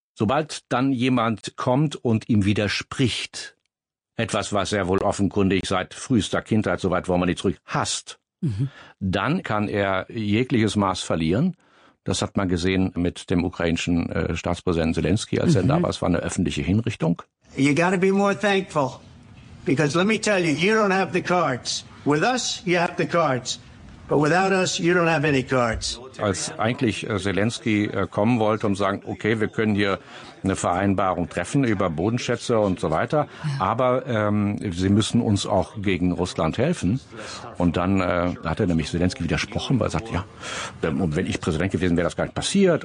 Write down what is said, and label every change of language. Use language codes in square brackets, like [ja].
[de] Sobald dann jemand kommt und ihm widerspricht, etwas, was er wohl offenkundig seit frühester Kindheit, soweit wollen wir nicht zurück, hasst, dann kann er jegliches Maß verlieren. Das hat man gesehen mit dem ukrainischen Staatspräsidenten Zelensky, als er da war. Es war eine öffentliche Hinrichtung. [en] You gotta be more thankful. Because let me tell you, you don't have the cards. With us, you have the cards. But without us, you don't have any cards. [de] als eigentlich Selenskyj kommen wollte und sagen, okay, wir können hier eine Vereinbarung treffen über Bodenschätze und so weiter, aber sie müssen uns auch gegen Russland helfen. Und dann hat er nämlich Selenskyj widersprochen, weil er sagt, ja, wenn ich Präsident gewesen wäre, das gar nicht passiert.